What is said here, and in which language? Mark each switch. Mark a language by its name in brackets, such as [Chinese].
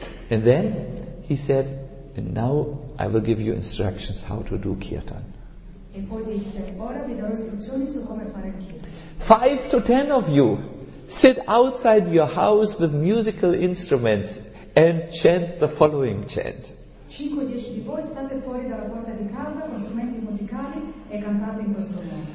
[English] And then he said, and now I will give you instructions how to do Kirtan. [Italian] E poi disse, ora vi darò istruzioni su come fare Kirtan. [English] 5 to 10 of you sit outside your house with musical instruments and chant the following chant. [Italian] 5 o 10 di voi state fuori dalla porta di casa con strumenti musicali e cantate in questo modo.